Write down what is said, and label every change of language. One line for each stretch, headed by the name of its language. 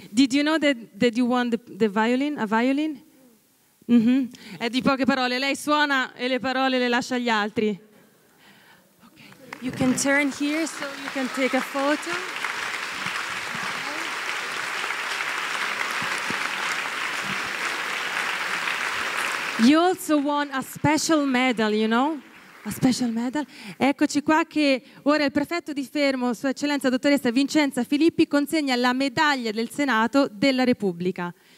English: Did you know that you won the violin? A violin?
Italian: Mm-hmm. È di poche parole. Lei suona e le parole le lascia agli altri.
English: Okay. You can turn here so you can take a photo. You also won a special medal, you know? A special medal.
Italian: Eccoci qua che ora il prefetto di Fermo, sua eccellenza dottoressa Vincenza Filippi, consegna la medaglia del Senato della Repubblica.